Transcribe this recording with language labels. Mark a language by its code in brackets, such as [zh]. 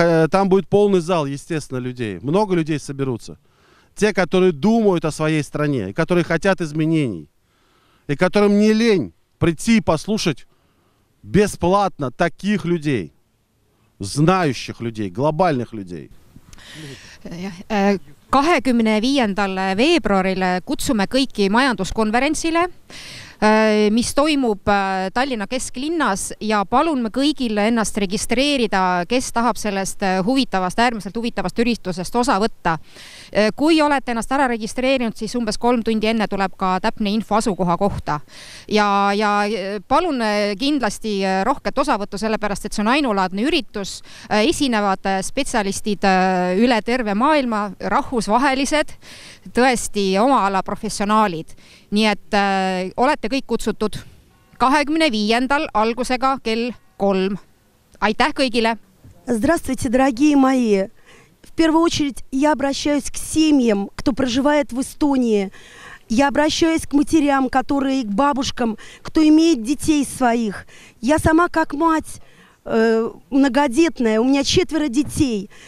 [ru] Там будет полный зал, естественно, людей. Много людей соберутся. Те, которые думают о своей стране, и которые хотят изменений, и которым не лень прийти и послушать бесплатно таких людей, знающих людей, глобальных людей. [et] 25. veebruaril kutsume kõiki majanduskonverentsile, mis toimub Tallinna kesklinnas, ja palun me kõigil ennast registreerida, kes tahab sellest huvitavast, äärmiselt huvitavast üritusest osa võtta. Kui olete ennast ära registreerinud, siis umbes 3 tundi enne tuleb ka täpne info asukoha kohta. Ja palun kindlasti rohket osavõttu, sellepärast, et see on ainulaadne üritus. Esinevad spetsialistid üle terve maailma, rahvusvahelised, tõesti oma ala professionaalid. Nii et olete kõik kutsutud 25. algusega kell 3. Aitäh kõigile! [ru] Здравствуйте, дорогие мои! В первую очередь я обращаюсь к семьям, кто проживает в Эстонии. Я обращаюсь к матерям, которые, к бабушкам, кто имеет детей своих. Я сама как мать многодетная, у меня 4 детей.